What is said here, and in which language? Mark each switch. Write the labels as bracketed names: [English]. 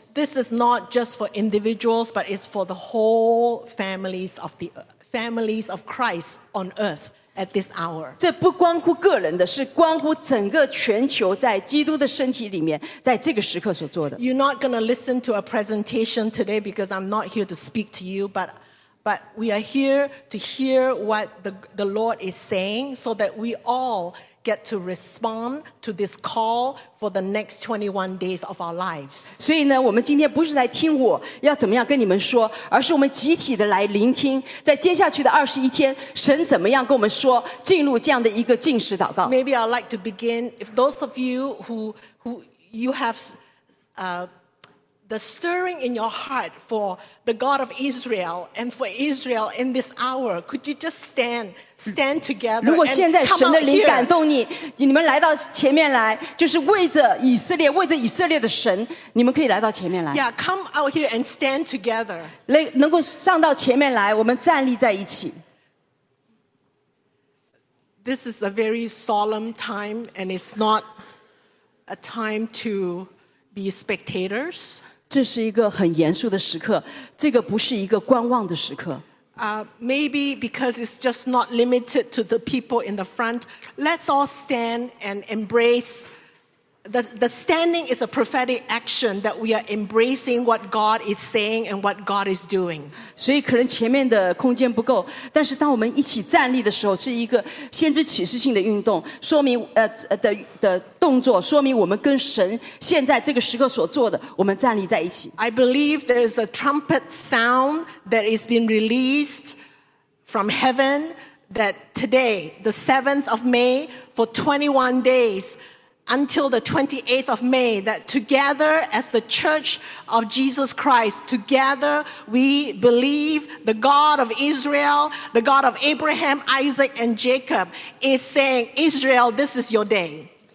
[English] This is not just for individuals, but it's for the whole families of Christ on earth. At this hour. [Chinese] 这不关乎个人的是关乎整个全球在基督的身体里面在这个时刻所做的。 [English] You're not going to listen to a presentation today because I'm not here to speak to you, but we are here to hear what the Lord is saying so that we all get to respond to this call for the next 21 days of our lives. [Chinese] 所以呢我们今天不是来听我要怎么样跟你们说而是我们集体的来聆听在接下去的21天神怎么样跟我们说进入这样的一个禁食祷告。 [English] Maybe I'd like to begin, if those of you who you have the stirring in your heart for the God of Israel and for Israel in this hour, could you just stand together? [Chinese] 如果现在神的灵感动你，你们来到前面来，就是为着以色列，为着以色列的神，你们可以来到前面来。 [English] Yeah, come out here and stand together. [Chinese] 能够上到前面来，我们站立在一起。 [English] This is a very solemn time, and it's not a time to be spectators. [Chinese] 这是一个很严肃的时刻，这个不是一个观望的时刻。 [English] Maybe because it's just not limited to the people in the front, let's all stand and embrace The standing is a prophetic action that we are embracing what God is saying and what God is doing. [Chinese] 所以可能前面的空间不够，但是当我们一起站立的时候，是一个先知启示性的运动，说明的动作，说明我们跟神现在这个时刻所做的，我们站立在一起。 [English] I believe there is a trumpet sound that is being released from heaven that today, the 7th of May, for 21 days, until the 28th of May, that together as the Church of Jesus Christ, together we believe the God of Israel, the God of Abraham, Isaac, and Jacob is saying, Israel, this is your day.